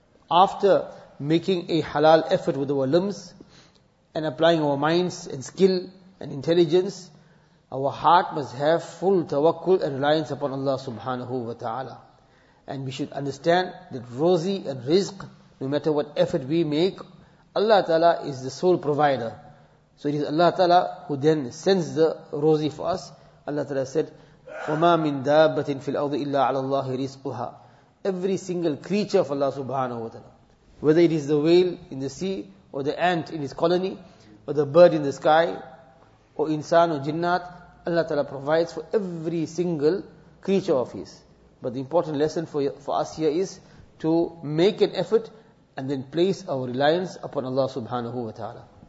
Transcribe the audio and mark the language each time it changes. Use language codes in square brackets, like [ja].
[en] After making a halal effort with our limbs and applying our minds and skill and intelligence, our heart must have full tawakkul and reliance upon Allah subhanahu wa ta'ala. And we should understand that rozi and rizq, no matter what effort we make, Allah Ta'ala is the sole provider. So it is Allah Ta'ala who then sends the rozi for us. Allah Ta'ala said, [ar] وَمَا مِن دَابَّةٍ فِي الْأَرْضِ إِلَّا عَلَى اللَّهِ رِزْقُهَا. [en] Every single creature of Allah subhanahu wa ta'ala, whether it is the whale in the sea, or the ant in his colony, or the bird in the sky, or insan or jinnat, Allah Ta'ala provides for every single creature of his. But the important lesson for us here is to make an effort and then place our reliance upon Allah subhanahu wa ta'ala.